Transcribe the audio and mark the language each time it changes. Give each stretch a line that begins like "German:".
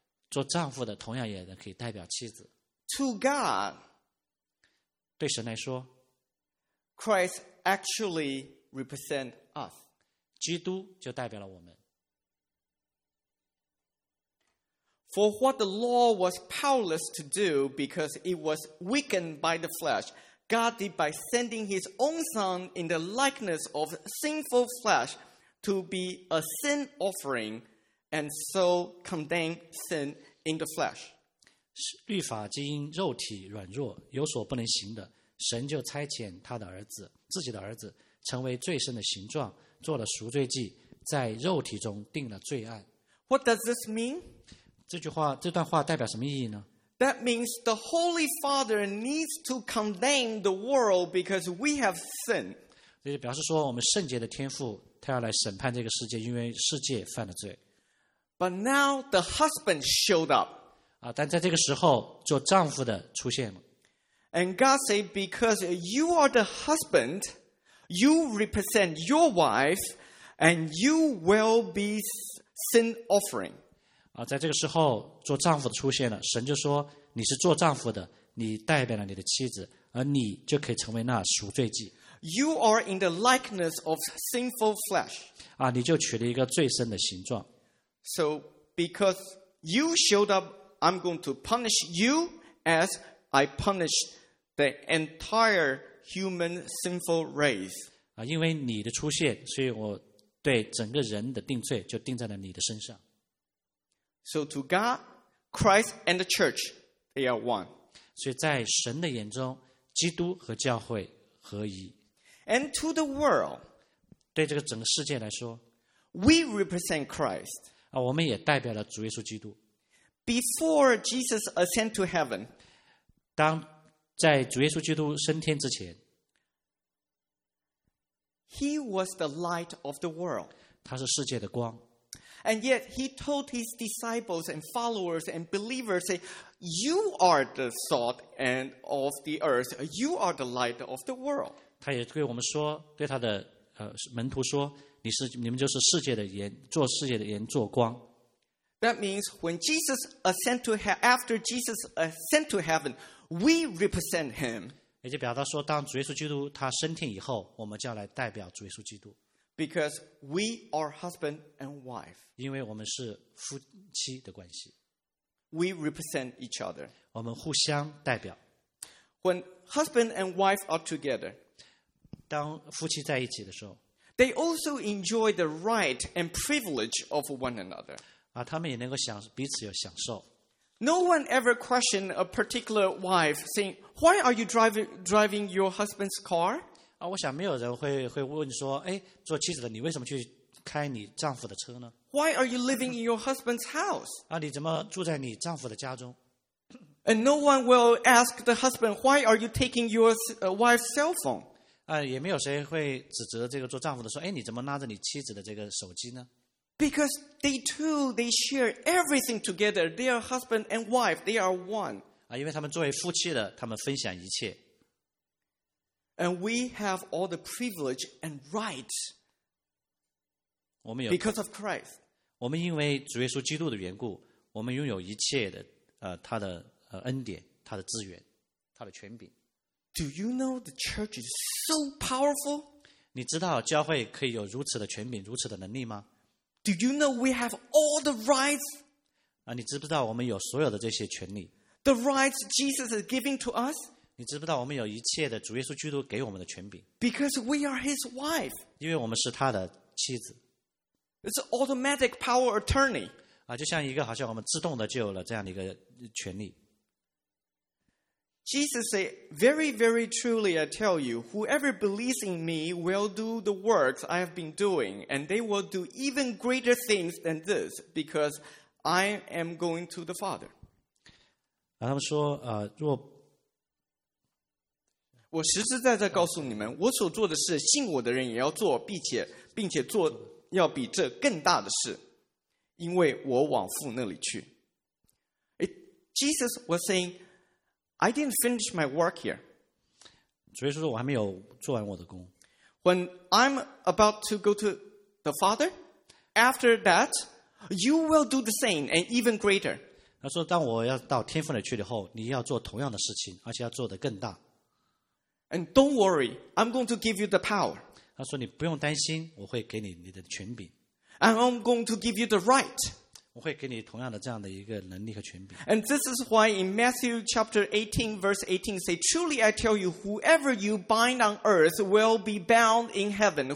Chinese: 做丈夫的同样也可以代表妻子。
English: To God,
Chinese: 对神来说
English: ，Christ actually represents us.
Chinese: 基督就代表了我们。
English: For what the law was powerless to do because it was weakened by the flesh, God did by sending his own son in the likeness of sinful flesh to be a sin offering and so condemn sin in the flesh.
Chinese: 律法既因肉体软弱有所不能行的，神就差遣他的儿子，自己的儿子成为罪身的形状，做了赎罪祭，在肉体中定了罪案。
English: What does this mean?
Chinese: 这段话代表什么意义呢？
English: That means the Holy Father needs to condemn the world because we have sinned.
Chinese: 这就表示说我们圣洁的天父他要来审判这个世界，因为世界犯了罪。
English: But now the husband showed up.
Chinese: 但在这个时候做丈夫的出现了。
English: And God said because you are the husband, you represent your wife, and you will be sin offering.
Chinese: 在这个时候做丈夫的出现了，神就说你是做丈夫的，你代表了你的妻子，而你就可以成为那赎罪祭。
English: You are in the likeness of sinful flesh.
Chinese: 你就取了一个罪身的形状。
English: So because you showed up, I'm going to punish you as I punish the entire human sinful race.
Chinese: 因为你的出现，所以我对整个人的定罪就定在了你的身上。
English: So to God, Christ and the church They are one.
Chinese: 所以在神的眼中，基督和教会合一。
English: And to the world,
Chinese: 对这个整个世界来说
English: ，We represent Christ.
Chinese: 啊，我们也代表了主耶稣基督。
English: Before Jesus ascend to heaven,
Chinese: 当在主耶稣基督升天之前
English: ，He was the light of the world.
Chinese: 他是世界的光。
English: And yet he told his disciples and followers and believers, say, "You are the salt and of the earth. You are the light of the world."
Chinese: 他也对我们说，对他的门徒说，你是你们就是世界的盐，做世界的盐，做光。
English: That means when Jesus ascend to after Jesus ascend to heaven, we represent him.
Chinese: 也就表达说，当主耶稣基督他升天以后，我们将来代表主耶稣基督。
English: Because we are husband and wife.
Chinese: 因为我们是夫妻的关系。
English: We represent each other.
Chinese: 我们互相代表。
English: When husband and wife are together,
Chinese: 当夫妻在一起的时候
English: they also enjoy the right and privilege of one another.
Chinese: 啊，他们也能够享彼此有享受。
English: No one ever questioned a particular wife, saying, "Why are you driving your husband's car?"
Chinese: 啊，我想没有人会问说，哎，做妻子的你为什么去开你丈夫的车呢
English: ？Why are you living in your husband's house？
Chinese: 啊，你怎么住在你丈夫的家中
English: ？And no one will ask the husband why are you taking your wife's cell phone？
Chinese: 啊，也没有谁会指责这个做丈夫的说，哎，你怎么拉着你妻子的这个手机呢？
English: Because they two, they share everything together. They are husband and wife. They are one.
Chinese: 啊，因为他们作为夫妻的，他们分享一切。
English: And we have all the privilege and rights.
Chinese: 我们有
English: because of Christ.
Chinese: 我们因为主耶稣基督的缘故，我们拥有一切的他的恩典，他的资源，他的权柄。
English: Do you know the church is so powerful?
Chinese: 你知道教会可以有如此的权柄，如此的能力吗？
English: Do you know we have all the rights?
Chinese: 你知不知道我们有所有的这些权利
English: ？The rights Jesus is giving to us.
Chinese: 你知不知道我们有一切的主耶稣基督给我们的权柄
English: ？Because we are His wife.
Chinese: 因为我们是他的妻子。
English: It's automatic power attorney.
Chinese: 就像一个好像我们自动的就有了这样的一个权利。
English: Jesus said, "Very, very truly, I tell you, whoever believes in me will do the works I have been doing, and they will do even greater things than this, because I am going to the Father."
Chinese: 他们说，若我实实在在告诉你们，我所做的事，信我的人也要做，并且做要比这更大的事，因为我往父那里去。
English: Jesus was saying. I didn't finish my work here.
Chinese: 主耶稣说我还没有做完我的工。
English: When I'm about to go to the Father, after that, you will do the same and even greater.
Chinese: 他说当我要到天父那去以后，你要做同样的事情，而且要做得更大。
English: And don't worry, I'm going to give you the power.
Chinese: 他说你不用担心，我会给你的权柄。
English: And I'm going to give you the right.
Chinese: 我会给你同样的这样的一个能力和权柄。
English: And this is why in Matthew chapter 18, verse 18, say, "Truly I tell you, whoever you bind on earth will be bound in heaven.